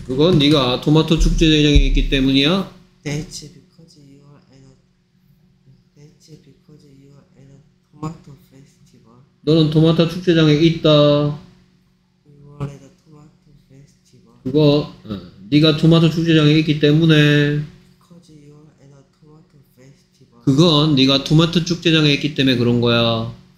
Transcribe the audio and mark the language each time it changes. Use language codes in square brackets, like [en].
[ko] 그건 네가 토마토 축제장에 있기 때문이야? [en] That's because you are at a, that's because you are at a tomato festival. [ko] 너는 토마토 축제장에 있다. [en] You are at a tomato festival. [ko] 그거, 네가 토마토 축제장에 있기 때문에 [en] because you are at a tomato festival. [ko] 그건 네가 토마토 축제장에 있기 때문에 그런 거야.